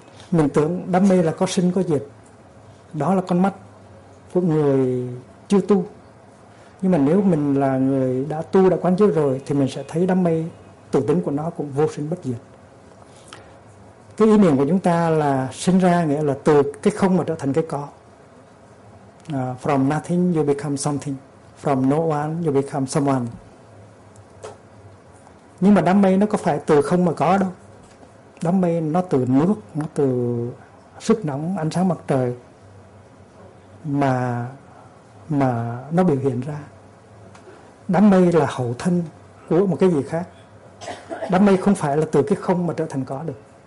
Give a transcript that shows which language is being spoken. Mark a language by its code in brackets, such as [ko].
[vi] Mình tưởng đám mây là có sinh có diệt, đó là con mắt của người chưa tu. Nhưng mà nếu mình là người đã tu, đã quán giới rồi thì mình sẽ thấy đám mây tự tính của nó cũng vô sinh bất diệt. Cái ý niệm của chúng ta là sinh ra, nghĩa là từ cái không mà trở thành cái có. [en] From nothing you become something, from no one you become someone. [vi] Nhưng mà đám mây nó có phải từ không mà có đâu. Đám mây nó từ nước, nó từ sức nóng, ánh sáng mặt trời mà nó biểu hiện ra. Đám mây là hậu thân của một cái gì khác. Đám mây không phải là từ cái không mà trở thành có được.